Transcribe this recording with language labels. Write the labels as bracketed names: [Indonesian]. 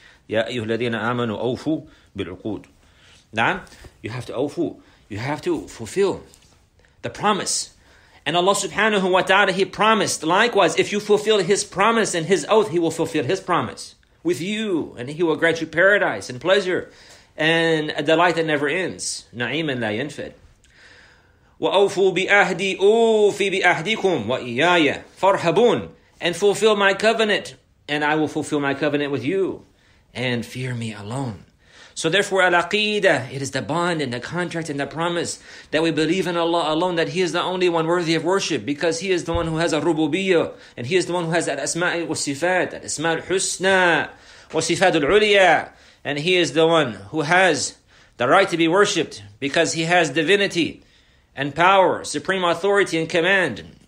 [Arabic] يا أيها الذين آمنوا أوفوا بالعقود. نعم. [English] You have to [Arabic] أوفوا. [English] You have to fulfill the promise. And Allah subhanahu wa ta'ala, He promised. Likewise, if you fulfill His promise and His oath, He will fulfill His promise with you. And He will grant you paradise and pleasure and a delight that never ends. [Arabic] نعيم لا ينفد. وأوفوا بأهدي أوفي بأهديكم وإياي فارهبون. [English] And fulfill my covenant, and I will fulfill my covenant with you. And fear me alone. So therefore, al-aqidah, it is the bond and the contract and the promise that we believe in Allah alone, that He is the only one worthy of worship, because He is the one who has al-rububiyyah, and He is the one who has al-asma'i wa-sifat, al-asma'i al-husna, wa-sifat al-uliya, and He is the one who has the right to be worshipped, because He has divinity and power, supreme authority and command.